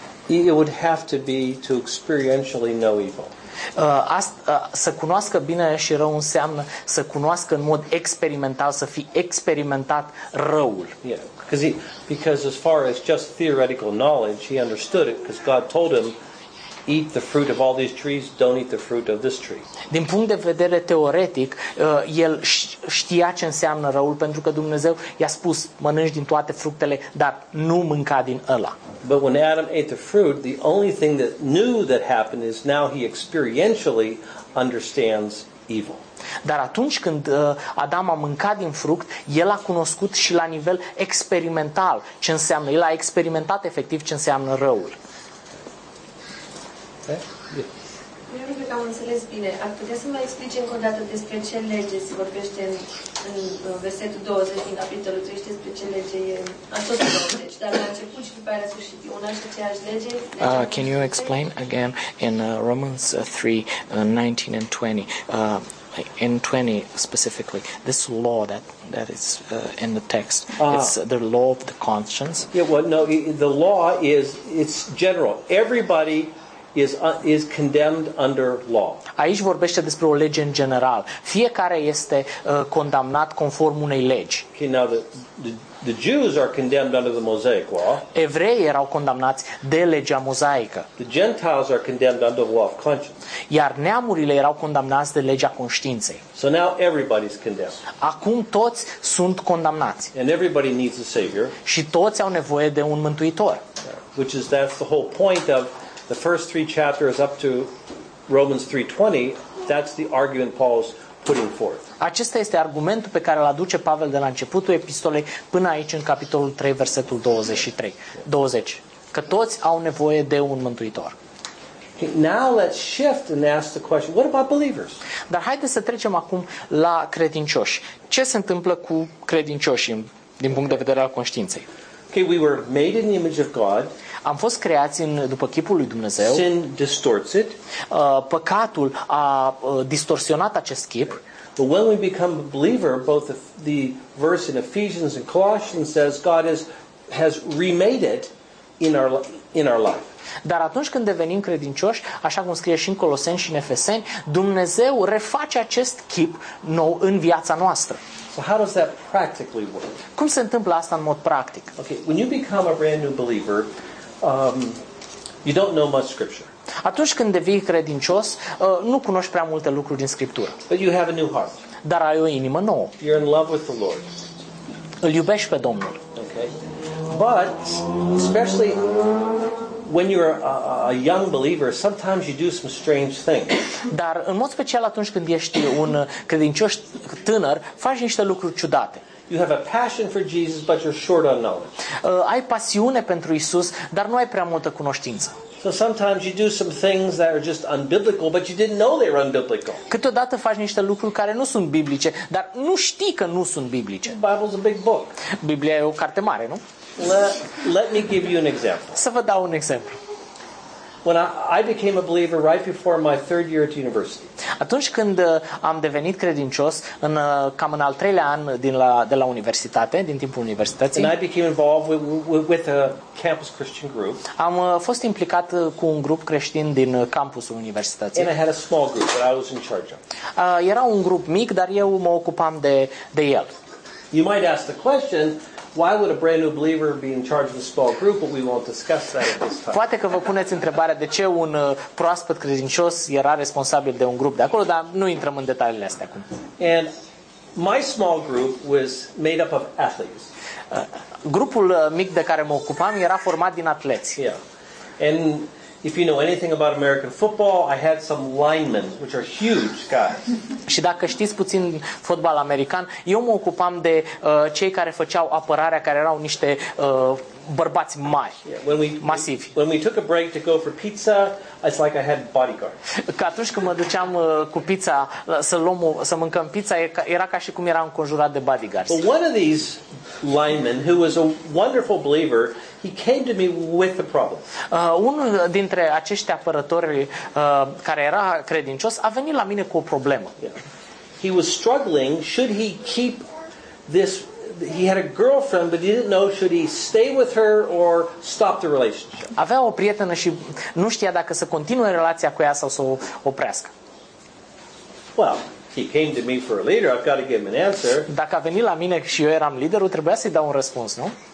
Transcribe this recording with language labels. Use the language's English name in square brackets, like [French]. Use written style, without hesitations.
[English] It would have to be to experientially know evil. [Romanian] Să cunoască bine și rău înseamnă să cunoască în mod experimental, să fi experimentat răul. [English] Yeah, because as far as just theoretical knowledge, he understood it because God told him, eat the fruit of all these trees, don't eat the fruit of this tree. [Romanian] Din punct de vedere teoretic, el știa ce înseamnă răul pentru că Dumnezeu i-a spus, mănânci din toate fructele, dar nu mânca din ăla. [English] But when Adam ate the fruit, the only thing that knew that happened is now he experientially understands evil. [Romanian] Dar atunci când Adam a mâncat din fruct, el a cunoscut și la nivel experimental ce înseamnă, el a experimentat efectiv ce înseamnă răul. Nu cred că am înțeles bine. Ar putea să mai explici încă o dată despre ce lege se vorbește în, versetul 20 din capitolul 3 și despre ce lege e în tot 20, dar la început și după aia la sfârșit. Una și aceeași lege. [English] Can you explain again in Romans 3, 19 and 20? In 20 specifically, this law that is in the text, it's the law of the conscience. Yeah, well, no, the law is, it's general. Everybody is condemned under law. [Romanian] Aici vorbește despre o lege în general. Fiecare este condamnat conform unei legi. [English] Okay, now the Jews are condemned under the Mosaic law. [Romanian] Evreii erau condamnați de legea mozaică. [English] The Gentiles are condemned under the law of conscience. [Romanian] Iar neamurile erau condamnați de legea conștiinței. [English] So now everybody's condemned. [Romanian] Acum toți sunt condamnați. [English] And everybody needs a savior. [Romanian] Și toți au nevoie de un mântuitor. [English] Which is that's the whole point of the first three chapters up to Romans 3:20, that's the argument Paul's putting forth. [Romanian] Acesta este argumentul pe care îl aduce Pavel de la începutul epistolei până aici în capitolul 3, versetul 23. 20. Că toți au nevoie de un mântuitor. [English] Okay, now let's shift and ask the question, what about believers? [Romanian] Dar haideți să trecem acum la credincioși. Ce se întâmplă cu credincioșii din punct de vedere al conștiinței? [English] Okay, we were made in the image of God. [Romanian] Am fost creați după chipul lui Dumnezeu. [English] Sin distorts it. [Romanian] Păcatul a distorsionat acest chip. [English] But when we become a believer, both the verse in Ephesians and Colossians says God has remade it in our life. [Romanian] Dar atunci când devenim credincioși, așa cum scrie și în Coloseni și în Efeseni, Dumnezeu reface acest chip nou în viața noastră. [English] So how does that practically work? [Romanian] Cum se întâmplă asta în mod practic? [English] Okay, when you become a brand new believer, you don't know much scripture. [Romanian] Atunci când devii credincios, nu cunoști prea multe lucruri din scriptură. [English] But you have a new heart. [Romanian] Dar ai o inimă nouă. [English] You're in love with the Lord. [Romanian] Îl iubești pe Domnul. [English] Okay. But especially when you're a young believer, sometimes you do some strange things. [Romanian] Dar în mod special atunci când ești un credincios tânăr, faci niște lucruri ciudate. [English] You have a passion for Jesus, but you're short on knowledge. [Romanian] Ai pasiune pentru Isus, dar nu ai prea multă cunoștință. [English] So sometimes you do some things that are just unbiblical, but you didn't know they were unbiblical. [Romanian] Câteodată faci niște lucruri care nu sunt biblice, dar nu știi că nu sunt biblice. [English] The Bible's a big book. [Romanian] Biblia e o carte mare, nu? [English] Let me give you an example. [Romanian] Să vă dau un exemplu. [English] When I became a believer right before my third year at university. [Romanian] Atunci când am devenit credincios în cam în al treilea an de la universitate, din timpul universității. [English] And I became involved with a campus Christian group. [Romanian] Am fost implicat cu un grup creștin din campusul universității. [English] And I had a small group that I was in charge of. [Romanian] Era un grup mic, dar eu mă ocupam de el. [English] You might ask the question, why would a brand new believer be in charge of a small group? But we won't discuss that at this time. [Romanian] Poate că vă puneți întrebarea de ce un proaspăt credincios era responsabil de un grup de acolo, dar nu intrăm în detaliile astea acum. [English] And my small group was made up of athletes. [Romanian] Grupul mic de care mă ocupam era format din atleți. [English] Yeah. And If you know anything about American football, I had some linemen, which are huge guys. [Romanian] Și dacă știți puțin fotbal american, eu mă ocupam de cei care făceau apărarea, care erau niște bărbați mari, masivi. [English] When we took a break to go for pizza, it's like I had bodyguards. [Romanian] Că atunci când mă duceam cu pizza să mâncăm pizza, era ca și cum eram înconjurat de bodyguards. [English] But one of these linemen, who was a wonderful believer, he came to me with the problem. [Romanian] Unul dintre acești apărători care era credincios a venit la mine cu o problemă. [English] Yeah. He was struggling, should he keep this. He had a girlfriend, but he didn't know should he stay with her or stop the relationship. [Romanian] Avea o prietenă și nu știa dacă să continue relația cu ea sau să o oprească. [English] Well, he came to me for a leader. I've got to give him an answer. [Romanian] Dacă a venit la mine și eu eram liderul, trebuia să-i dau un răspuns, nu?